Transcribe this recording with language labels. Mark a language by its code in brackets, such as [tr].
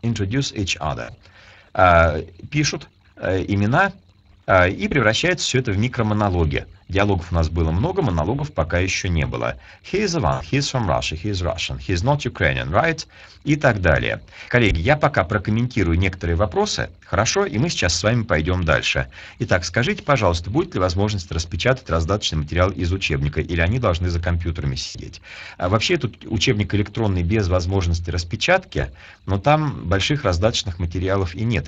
[en] Introduce each other. [ru] Пишут имена и превращают все это в микромонологи. Диалогов у нас было много, монологов пока еще не было. [en] He is Ivan, he is from Russia, he is Russian, he is not Ukrainian, right? [ru] И так далее. Коллеги, я пока прокомментирую некоторые вопросы, хорошо, и мы сейчас с вами пойдем дальше. Итак, скажите, пожалуйста, будет ли возможность распечатать раздаточный материал из учебника, или они должны за компьютерами сидеть? А вообще, этот учебник электронный без возможности распечатки, но там больших раздаточных материалов и нет.